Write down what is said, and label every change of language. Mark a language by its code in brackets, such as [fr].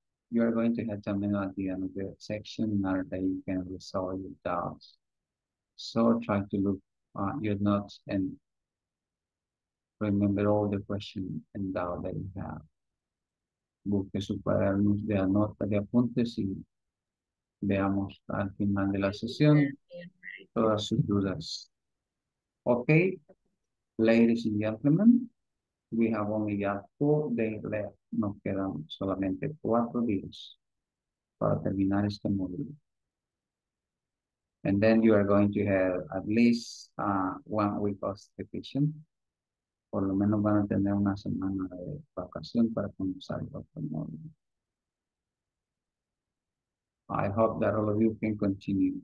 [en] You are going to have to amend at the end of the section in order that you can resolve your doubts. So try to look at your notes and remember all the questions and doubts that you have. [es] Busque su cuaderno de notas de apuntes y veamos al final de la sesión todas sus dudas. [en] Okay, ladies and gentlemen, we have only got 4 days left. [es] Nos quedan solamente 4 días para terminar este módulo. [en] And then you are going to have at least 1 week of vacation. [es] Por lo menos van a tener una semana de vacación para comenzar el otro módulo. [en] I hope that all of you can continue.